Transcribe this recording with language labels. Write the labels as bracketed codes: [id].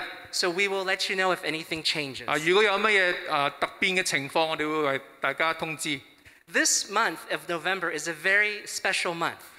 [en] So we will let you know if anything changes. [zh] 如果有什么特变的情况, 我们会为大家通知。 [en] This month of November is a very special month.